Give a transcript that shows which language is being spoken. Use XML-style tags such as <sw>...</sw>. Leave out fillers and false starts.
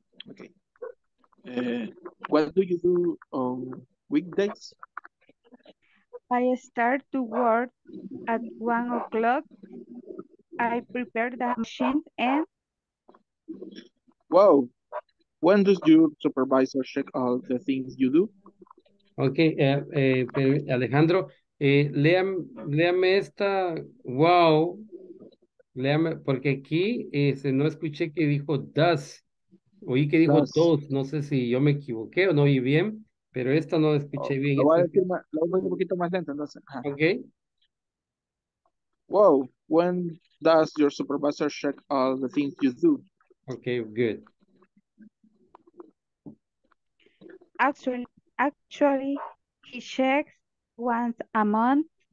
<en>Okay. What do you do on weekdays? I start to work at 1 o'clock. I prepare the machine and... Whoa. When does your supervisor check all the things you do?</en> <es>Okay, Alejandro, léame esta, wow, léame, porque aquí no escuché que dijo does, oí que dijo does, no sé si yo me equivoqué o no oí bien, pero esta no la escuché bien. Lo voy a decir un poquito más lento, entonces.</es> <en>Okay. Wow, when does your supervisor check all the things you do? Okay, good. Actually, he checks once a month.</en>